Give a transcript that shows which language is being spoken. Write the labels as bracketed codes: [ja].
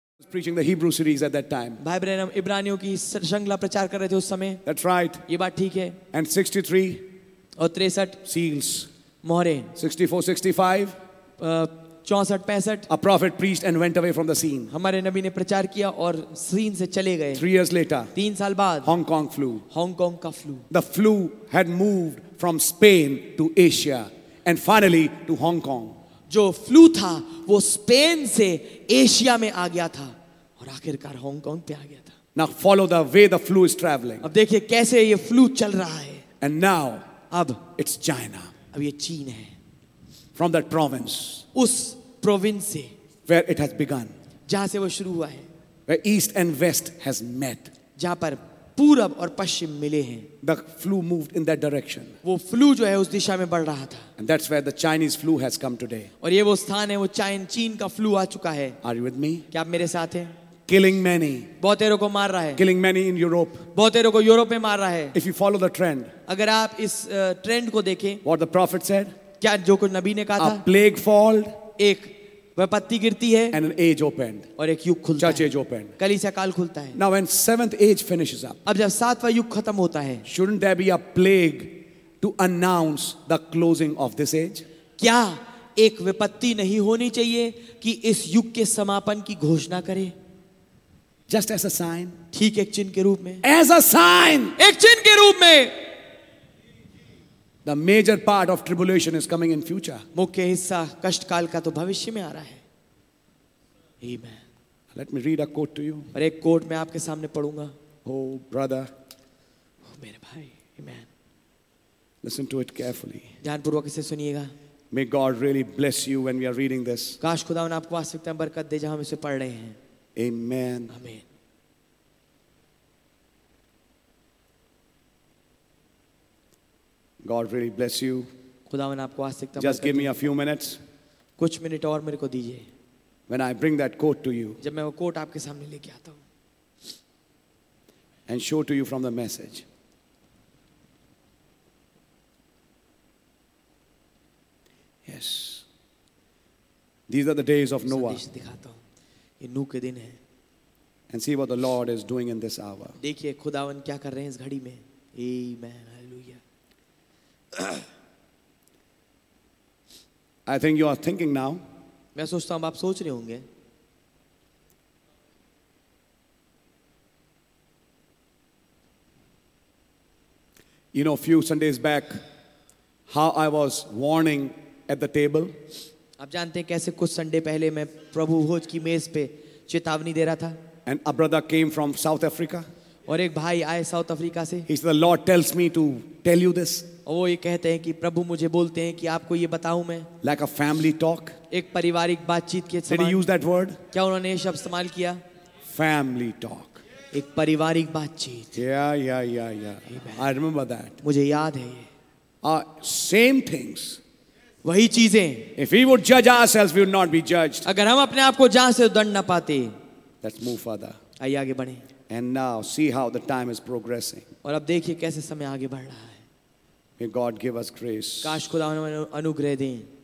[en] preaching the Hebrew series at that time. [hi] भाई Branham इब्रानियों की श्रृंखला प्रचार कर रहे थे उस समय. [en] That's right. [hi] ये बात ठीक है. [en] And 63. [hi] और 63. [en] Seals. [hi] मोहरे. [en] 64, 65. [hi] 64, 65. [en] A prophet preached and went away from the scene. [hi] हमारे नबी ने प्रचार किया और सीन से चले गए. [en] 3 years later. [hi] 3 साल बाद. [en] Hong Kong flu. [hi] Hong Kong का flu. [en] The flu had moved from Spain to Asia and finally to Hong Kong. [hi] जो फ्लू था वो स्पेन से एशिया में आ गया था और आखिरकार हांगकांग पे आ गया था. [en] Now follow the way the flu is traveling. [hi] अब देखिए कैसे ये फ्लू चल रहा है. [en] And now [hi] अब [en] it's China. [hi] अब ये चीन है. [en] From that province. [hi] उस प्रोविंस से. [en] Where it has begun. [hi] जहां से वो शुरू हुआ है. [en] Where east and west has met. [hi] जहां पर पूरब और पश्चिम मिले हैं. [en] The flu moved in that direction. [hi] वो फ्लू जो है उस दिशा में बढ़ रहा था. [en] And that's where the Chinese flu has come today. [hi] और ये वो स्थान है वो चीन का फ्लू आ चुका है. [en] Are you with me? [hi] क्या आप मेरे साथ हैं? [en] Killing many. [hi] बहुत तेरों को मार रहा है. [en] Killing many in Europe. [hi] बहुत तेरों को यूरोप में मार रहा है. [en] If you follow the trend. [hi] अगर आप इस ट्रेंड को देखें. [en] What the prophet said. [hi] क्या जो कुछ नबी ने कहा था. [en] A plague fall. [hi] एक विपत्ति गिरती है. [en] And an age opened. [hi] और एक युग खुलता [en] Church है. Church age opened. [hi] कलीसिया काल खुलता है. [en] Now when seventh age finishes up. [hi] अब जब सातवां युग खत्म होता है. [en] Shouldn't there be a plague to announce the closing of this age? [hi] क्या एक विपत्ति नहीं होनी चाहिए कि इस युग के समापन की घोषणा करे? [en] Just as a sign. [hi] ठीक एक चिन्ह के रूप में. [en] As a sign. [hi] एक चिन्ह के रूप में. [en] The major part of tribulation is coming in future. [hi] मुख्य हिस्सा कष्टकाल का तो भविष्य में आ रहा है. [en] Amen. Let me read a quote to you. [hi] और एक कोट मैं आपके सामने पढूंगा. [en] Oh brother. [hi] ओ मेरे भाई. Amen. [en] Listen to it carefully. [hi] ध्यानपूर्वक इसे सुनिएगा. [en] May God really bless you when we are reading this. [hi] काश खुदा आपको वास्तविकता बरकत दे जब हम इसे पढ़ रहे हैं. [en] Amen. Amen. God really bless you. [hi] खुदावन आपको आवश्यकता [en] Just give me a few minutes. [hi] कुछ मिनट और मेरे को दीजिए. [en] When I bring that quote to you. [hi] जब मैं वो quote आपके सामने लेके आता हूँ. [en] And show to you from the message. Yes. These are the days of Noah. [hi] संदेश दिखाता हूँ. ये नूह के दिन हैं. [en] And see what the Lord is doing in this hour. [hi] देखिए खुदावन क्या कर रहे हैं इस घड़ी में. [en] Amen. I think you are thinking now. [hi] मैं सोचता हूँ आप सोच रहे होंगे. [en] You know, few Sundays back, how I was warning at the table. [hi] आप जानते हैं कैसे कुछ संडे पहले मैं प्रभु भोज की मेज पे चेतावनी दे रहा था. [en] And a brother came from South Africa. [hi] और एक भाई आए साउथ अफ्रीका से. [en] He said, "The Lord tells me to tell you this." [hi] और वो ये कहते हैं कि प्रभु मुझे बोलते हैं कि आपको ये बताऊं मैं. [en] Like a family talk. [hi] एक पारिवारिक बातचीत के [en] समान. Did he use that word? [hi] क्या उन्होंने ये शब्द इस्तेमाल किया? [en] Family talk. [hi] एक पारिवारिक बातचीत. [en] Yeah. I remember that. [hi] मुझे याद है ये. [en] Same things. [hi] वही चीजें. [en] If we would judge ourselves, we would not be judged. [hi] अगर हम अपने आप को जांच से दंड न पाते. [en] Let's move further. [hi] आइए आगे बढ़े. [en] And now see how the time is progressing. [hi] और अब देखिए कैसे समय आगे बढ़ रहा है. [en] May God give us grace. [hi] काश खुदा हमें अनुग्रह दें.